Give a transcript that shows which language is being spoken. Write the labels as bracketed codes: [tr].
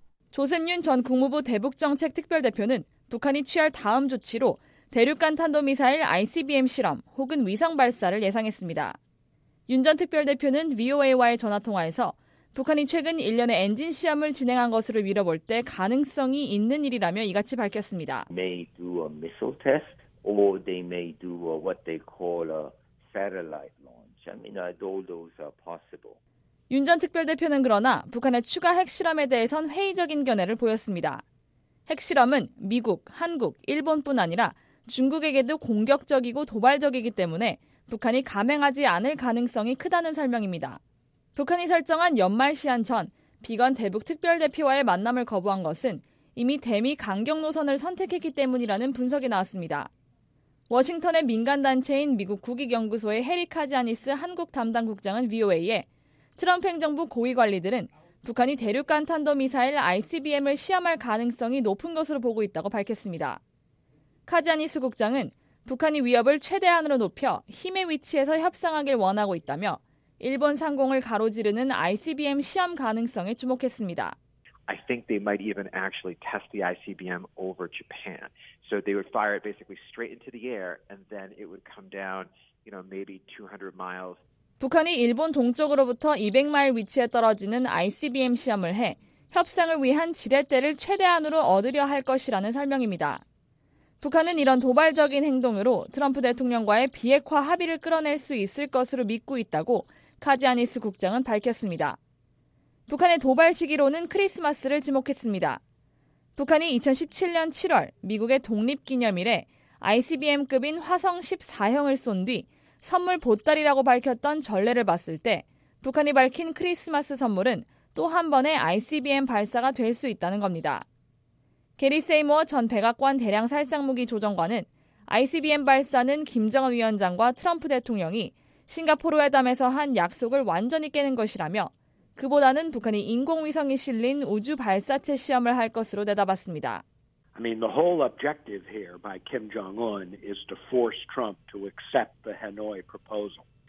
[ko] 조샘윤 전 국무부 대북정책특별대표는 북한이 취할 다음 조치로 대륙간 탄도미사일 ICBM 실험 혹은 위성 발사를 예상했습니다. 윤 전 특별대표는 VOA와의 전화통화에서 북한이 최근 1년의 엔진 시험을 진행한 것으로 미뤄볼 때 가능성이 있는 일이라며 이같이 밝혔습니다. [en] May do a missile test. Or they may do what they call a satellite launch. I mean, all those are possible. [ko] 윤 전 특별대표는 그러나 북한의 추가 핵실험에 대해선 회의적인 견해를 보였습니다. 핵실험은 미국, 한국, 일본뿐 아니라 중국에게도 공격적이고 도발적이기 때문에 북한이 감행하지 않을 가능성이 크다는 설명입니다. 북한이 설정한 연말 시한 전 비건 대북 특별대표와의 만남을 거부한 것은 이미 대미 강경 노선을 선택했기 때문이라는 분석이 나왔습니다. 워싱턴의 민간단체인 미국 국익연구소의 해리 카지아니스 한국 담당 국장은 VOA에 트럼프 행정부 고위관리들은 북한이 대륙간 탄도미사일 ICBM을 시험할 가능성이 높은 것으로 보고 있다고 밝혔습니다. 카지아니스 국장은 북한이 위협을 최대한으로 높여 힘의 위치에서 협상하길 원하고 있다며 일본 상공을 가로지르는 ICBM 시험 가능성에 주목했습니다. [en] I think they might even actually test the ICBM over Japan. So they would fire it basically straight into the air and then it would come down, you know, maybe 200 miles. [ko] 북한이 일본 동쪽으로부터 200마일 위치에 떨어지는 ICBM 시험을 해 협상을 위한 지렛대를 최대한으로 얻으려 할 것이라는 설명입니다. 북한은 이런 도발적인 행동으로 트럼프 대통령과의 비핵화 합의를 끌어낼 수 있을 것으로 믿고 있다고 카지아니스 국장은 밝혔습니다. 북한의 도발 시기로는 크리스마스를 지목했습니다. 북한이 2017년 7월 미국의 독립기념일에 ICBM급인 화성 14형을 쏜 뒤 선물 보따리라고 밝혔던 전례를 봤을 때 북한이 밝힌 크리스마스 선물은 또 한 번의 ICBM 발사가 될 수 있다는 겁니다. 게리 세이머 전 백악관 대량 살상무기 조정관은 ICBM 발사는 김정은 위원장과 트럼프 대통령이 싱가포르 회담에서 한 약속을 완전히 깨는 것이라며 그보다는 북한이 인공위성이 실린 우주 발사체 시험을 할 것으로 내다봤습니다. [en] I mean, the whole objective here by Kim Jong-un is to force Trump to accept the Hanoi proposal.